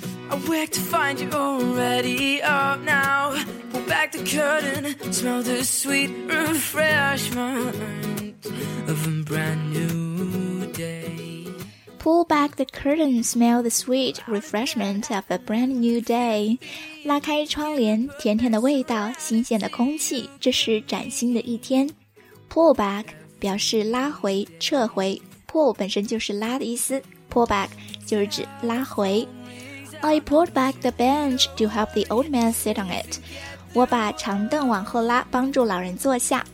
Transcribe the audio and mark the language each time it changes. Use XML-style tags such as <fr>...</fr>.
<en>I wake to find you already up now. Pull back the curtain, smell the sweet refreshment of a brand new day. Pull back the curtain, smell the sweet refreshment of a brand new day.</en> <zh>拉开窗帘，甜甜的味道，新鲜的空气，这是崭新的一天。 Pull back 表示拉回撤回， pull 本身就是拉的意思， pull back 就是指拉回。</zh> <en>I pulled back the bench to help the old man sit on it.</en> <zh>我把长凳往后拉，帮助老人坐下。</zh>